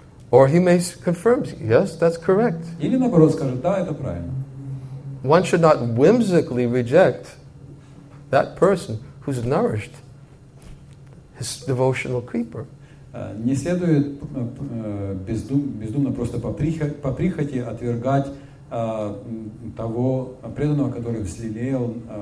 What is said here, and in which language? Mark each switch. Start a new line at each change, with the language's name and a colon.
English: Or he may confirm, yes, that's correct.
Russian: Или наоборот скажет, да, это правильно.
English: One should not whimsically reject that person who's nourished his devotional creeper.
Russian: Не следует бездумно просто по прихоти отвергать того преданного, который взлелеял